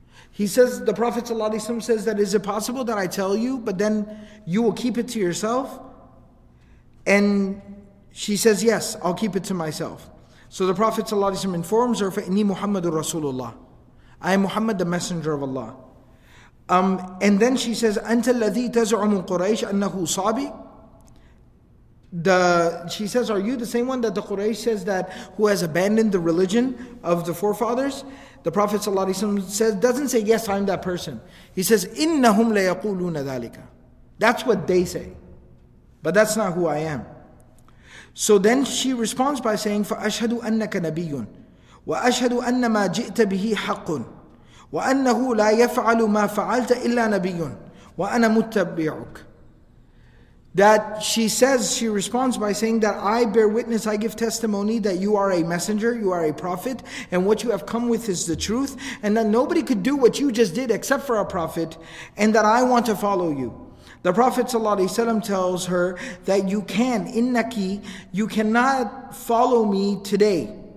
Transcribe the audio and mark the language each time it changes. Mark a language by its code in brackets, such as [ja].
[en] He says, the Prophet ﷺ says that, is it possible that I tell you, but then you will keep it to yourself? And she says, yes, I'll keep it to myself. So the Prophet ﷺ informs her, [ar] فَإِنِّي مُحَمَّدُ رَسُولُ اللَّهِ. [en] I am Muhammad, the Messenger of Allah. And then she says, [ar] أَنْتَ الَّذِي تَزْعُمُ قُرَيْشِ أَنَّهُ صَابِي. [en] She says, are you the same one that the Quraysh says that who has abandoned the religion of the forefathers? The Prophet says, doesn't say, yes, I'm that person. He says, [ar] إِنَّهُمْ لَيَقُولُونَ ذَلِكَ. [en] That's what they say. But that's not who I am. So then she responds by saying, [ar] فَأَشْهَدُ أَنَّكَ نَبِيٌّ وَأَشْهَدُ أَنَّ مَا جِئْتَ بِهِ حَقٌّ وَأَنَّهُ لَا يَفْعَلُ مَا فَعَلْتَ إِلَّا نَبِيٌّ وَأَنَا مُتَّبِّعُكَ. [en] That she says, she responds by saying that I bear witness, I give testimony that you are a messenger, you are a prophet, and what you have come with is the truth, and that nobody could do what you just did except for a prophet, and that I want to follow you. The Prophet ﷺ tells her that you can, innaki, you cannot follow me today.